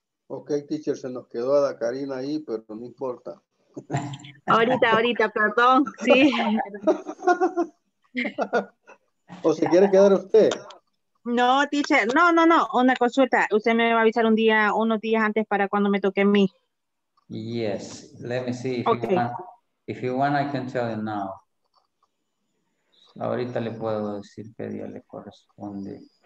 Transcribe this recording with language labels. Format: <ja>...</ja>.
<es>Ok, teacher, se nos quedó a la Karina ahí, pero no importa. Ahorita, perdón, sí. ¿O se quiere quedar usted? No, teacher, no, no, no, una consulta. Usted me va a avisar un día, unos días antes para cuando me toque a mí.</es> <en>Yes, let me see. If you want, I can tell you now.</en> <es>Ahorita le puedo decir qué día le corresponde.</es>